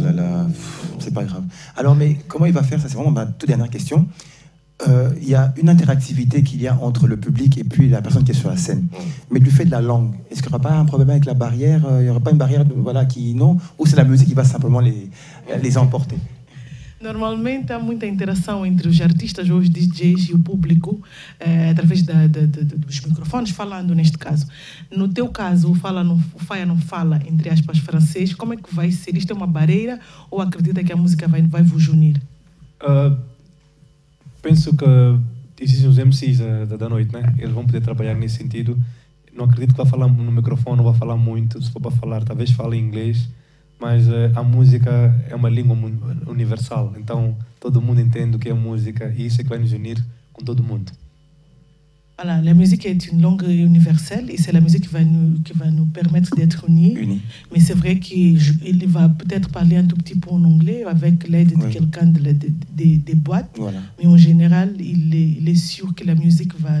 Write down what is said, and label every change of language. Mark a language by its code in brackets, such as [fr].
[fr] Oh là là, c'est pas grave. Alors, mais comment il va faire ça? C'est vraiment ma toute dernière question. Il y a une interactivité qu'il y a entre le public et puis la personne qui est sur la scène. Mais du fait de la langue, est-ce qu'il n'y aura pas un problème avec la barrière? Il n'y aura pas une barrière de, voilà, qui, non? Ou c'est la musique qui va simplement les emporter? [pt] Normalement, há muita interação entre os artistas ou os DJs e o público através dos microfones, falando neste caso. No teu caso, o Faya não fala, entre aspas, francês. Como é que vai ser? Isto é uma barreira ou acredita que a música vai vos unir? Penso que existem os MCs da noite, né? Eles vão poder trabalhar nesse sentido. Não acredito que vá falar no microfone, não vá falar muito. Se for para falar, talvez fale inglês. Mas a música é uma língua universal, então todo mundo entende o que é música e isso é que vai nos unir com todo mundo. [fr] Voilà, la musique est une langue universelle et c'est la musique qui va nous permettre d'être unis. Mais c'est vrai qu'il va peut-être parler un tout petit peu en anglais avec l'aide de quelqu'un des boîtes. Voilà. Mais en général, il est sûr que la musique va